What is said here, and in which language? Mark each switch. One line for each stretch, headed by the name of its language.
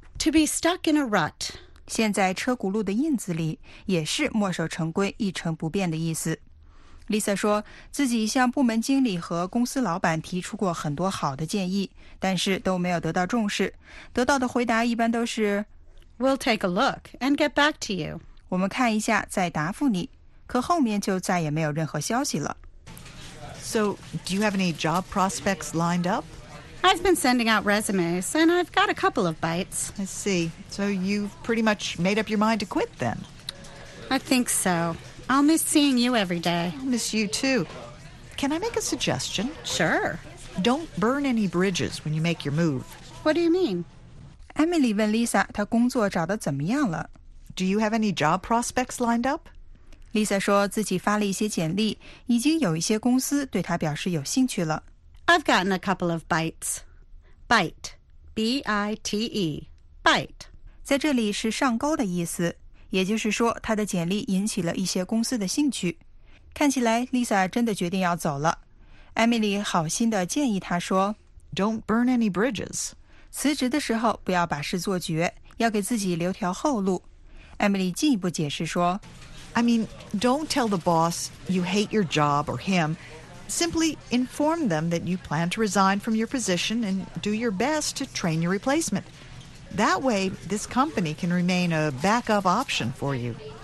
English: To be stuck in a rut
Chinese: 现在车轱辘的印子里也是墨守成规一成不变的意思Lisa 说自己向部门经理和公司老板提出过很多好的建议但是都没有得到重视得到的回答一般都是
English: We'll take a look and get back to you
Chinese: 我们看一下再答复你可后面就再也没有任何消息了
English: So, do you have any job prospects lined up? I've been sending out resumes and I've got a couple of bites I see, so you've pretty much made up your mind to quit then? I think soI'll miss seeing you every day. I'll miss you too. Can I make a suggestion? Sure. Don't burn any bridges when you make your move. What do you mean?
Chinese: Emily 问 Lisa 她工作找得怎么样了。
English: Do you have any job prospects lined up?
Chinese: Lisa 说自己发了一些简历,已经有一些公司对她表示有兴趣了。
English: I've gotten a couple of bites. Bite. B-I-T-E. Bite.
Chinese: 在这里是上钩的意思。也就是说她的简历引起了一些公司的兴趣。看起来 Lisa 真的决定要走了。Emily 好心地建议她说
English: Don't burn any bridges.
Chinese: 辞职的时候不要把事做绝要给自己留条后路。 Emily 进一步解释说
English: I mean, don't tell the boss you hate your job or him. Simply inform them that you plan to resign from your position and do your best to train your replacement. That way, this company can remain a backup option for you.